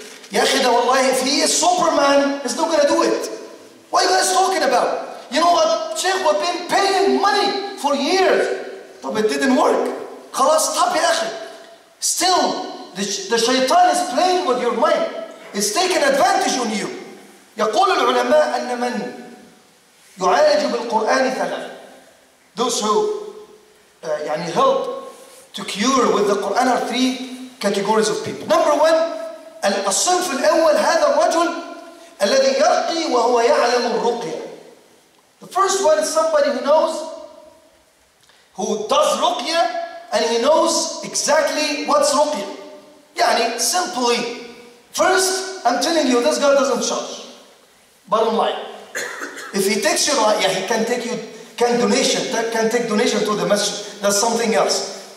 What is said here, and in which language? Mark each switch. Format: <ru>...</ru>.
<ar>Ya akhida wallahi,</ar> <en>if he is Superman, he's not going to do it. What are you guys talking about? You know what? Sheikh, we've been paying money for years, but it didn't work.</en> <ar>خلاص طب يا أخي.</ar> <en>Still, the shaitan is playing with your mind. It's taking advantage on you.</en> <ar>يقول العلماء أن من يعالج بالقرآن ثلاثة.</ar> <en>Those who يعني help to cure with the Quran are three categories of people. Number one,</en> <ar>الصنف الأول هذا الرجل الذي يرقي وهو يعلم الرقية.</ar> <en>The first one is somebody who knows, who does ruqya, and he knows exactly what's ruqya. يعني simply, first, I'm telling you, this guy doesn't charge. Bottom line, if he takes your money, yeah, he can take you, can take donation to the masjid. That's something else.</en>